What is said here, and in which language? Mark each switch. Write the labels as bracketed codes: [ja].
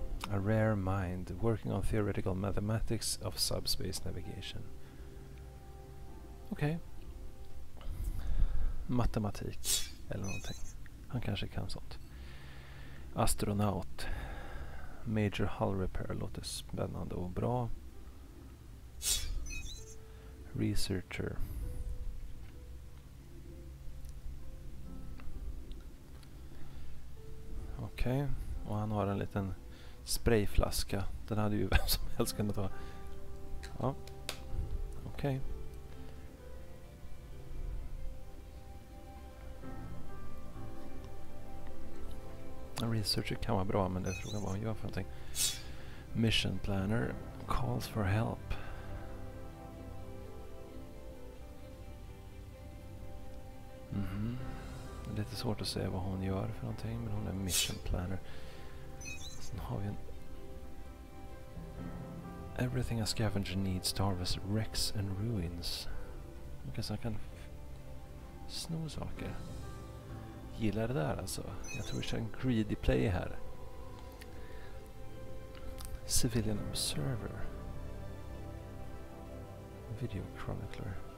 [en] A rare mind working on theoretical mathematics of subspace navigation. Okej. Okay. [sv] Matematik eller någonting. Han kanske kan sånt. Astronaut. [en] Major hull repair [sv] låter spännande och bra. [en] researcher. [sv] Okej, okay. Och han har en liten sprayflaska. Den hade ju vem som helst kunnat ha. Ja, okej. Okay. En researcher kan vara bra, men det tror jag var en gör för någonting. [en] Mission planner calls for help. [sv] Lite svårt att säga vad hon gör för någonting, men hon är mission planner. Sen har vi en... [en] Everything a scavenger needs to harvest wrecks and ruins. [sv] Okej, så jag kan sno saker. Gillar det där alltså. Jag tror vi kör en greedy play här. [en] Civilian observer. Video chronicler.